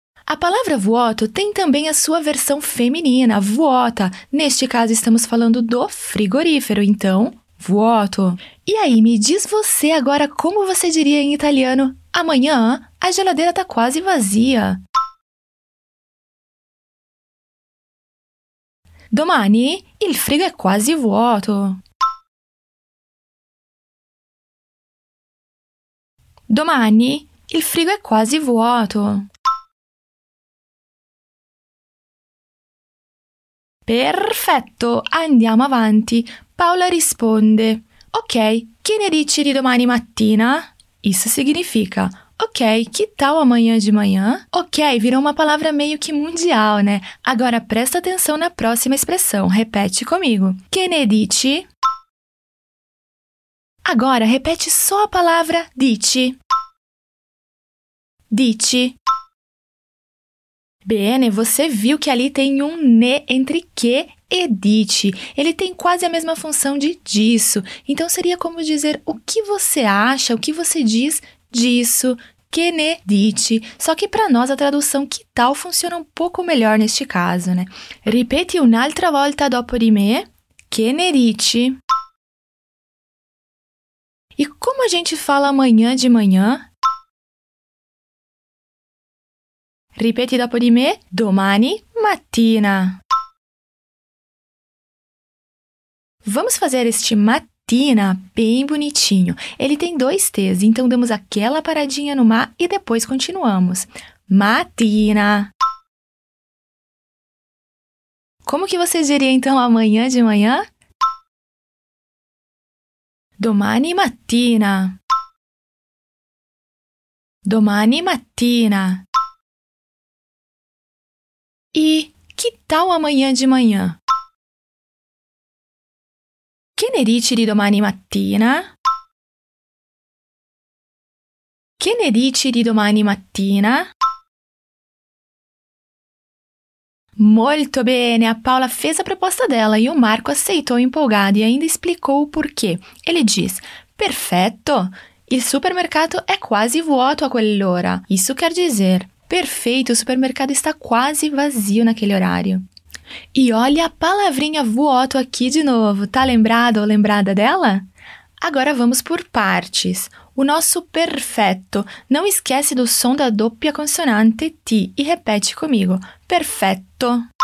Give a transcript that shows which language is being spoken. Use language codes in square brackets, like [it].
[pt] A palavra vuoto tem também a sua versão feminina, vuota. Neste caso, estamos falando do frigorífero, então, vuoto. E aí, me diz você agora como você diria em italiano: amanhã a geladeira está quase vazia. [it] Domani il frigo è quasi vuoto. Domani il frigo è quasi vuoto. Perfetto, andiamo avanti. Paola risponde. Ok, che ne dici di domani mattina? [pt] Isso significa: ok, que tal amanhã de manhã? Ok, virou uma palavra meio que mundial, né? Agora, presta atenção na próxima expressão. Repete comigo. [it] Che ne dici? [pt] Agora, repete só a palavra dici. Dici. Bene, você viu que ali tem um ne entre que e dici. Ele tem quase a mesma função de disso. Então, seria como dizer o que você acha, o que você diz disso. [it] Che ne dici? [pt] Só que para nós a tradução que tal funciona um pouco melhor neste caso, né? [it] Ripeti un'altra volta dopo di me. Che ne dici? [pt] E como a gente fala amanhã de manhã? [it] Ripeti dopo di me. Domani mattina. [pt] Vamos fazer este mattina bem bonitinho. Ele tem dois T's, então damos aquela paradinha no ma e depois continuamos. [it] Mattina. [pt] Como que você diria, então, amanhã de manhã? [it] Domani mattina. Domani mattina. [pt] E que tal amanhã de manhã? [it] Che ne dici di domani mattina? Che ne dici di domani mattina? Molto bene! [pt] A Paola fez a proposta dela e o Marco aceitou empolgado e ainda explicou o porquê. Ele diz: perfetto! [it] Il supermercato è quasi vuoto a quell'ora. [pt] Isso quer dizer: perfeito, o supermercado está quase vazio naquele horário. E olha a palavrinha vuoto aqui de novo, tá lembrado ou lembrada dela? Agora vamos por partes. O nosso perfetto, não esquece do som da doppia consonante T e repete comigo. Perfetto.